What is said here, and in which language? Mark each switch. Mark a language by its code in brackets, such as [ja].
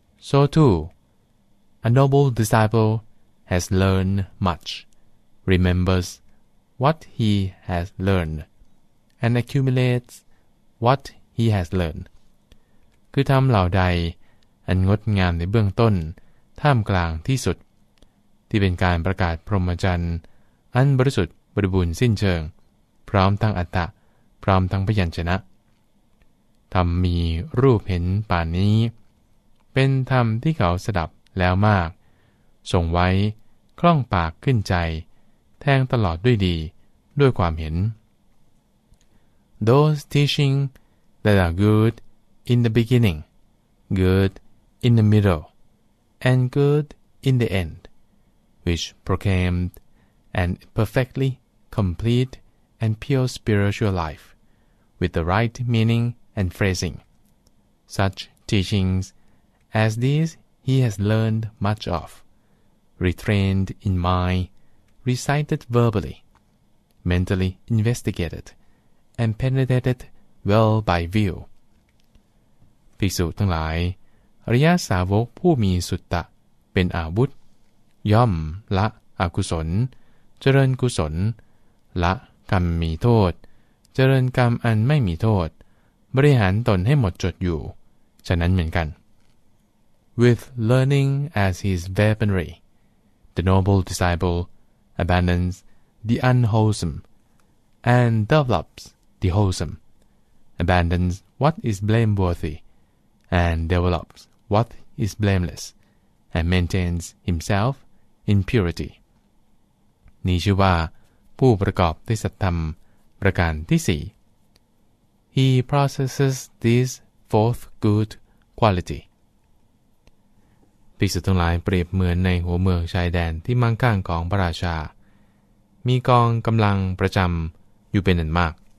[en] So too, a noble disciple has learned much, remembers what he has learned, and accumulates what he has learned. [th] คือทำเหล่าใดอันงดงามในเบื้องต้นท่ามกลางที่สุดที่เป็นการประกาศพรหมจรรย์อันบริสุทธิ์บริบูรณ์สิ้นเชิงพร้อมทั้งอัตตะพร้อมทั้งพยัญชนะธรรมมีรูปเห็นป่านนี้เป็นธรรมที่เขาสดับแล้วมากส่งไว้คล่องปากขึ้นใจแทงตลอดด้วยดีด้วยความเห็น [en] Those teaching that are good in the beginning, good in the middle, and good in the end, which proclaimed an perfectly complete and pure spiritual life, with the right meaning and phrasing. Such teachings as these he has learned much of, retrained in mind, recited verbally, mentally investigated, and penetrated well by view. [th] ภิกษุทั้งหลายอริยสาวกผู้มีสุตตะเป็นอาวุธย่อมละอกุศลเจริญกุศลละกรรมมีโทษเจริญกรรมอันไม่มีโทษบริหารตนให้หมดจดอยู่ฉะนั้นเหมือนกัน [en] With learning as his weaponry, the noble disciple abandons the unwholesome and develops the wholesome, abandons what is blameworthy and develops what is blameless and maintains himselfin purity [th] นี้ชื่อว่าผู้ประกอบด้วยสัทธรรมประการที่4 [en] He processes this fourth good quality [th] ภิกษุทั้งหลายเปรียบเหมือนในหัวเมืองชายแดนที่มั่งคั่งของพระราชามีกองกำลังประจำอยู่เป็นอันมาก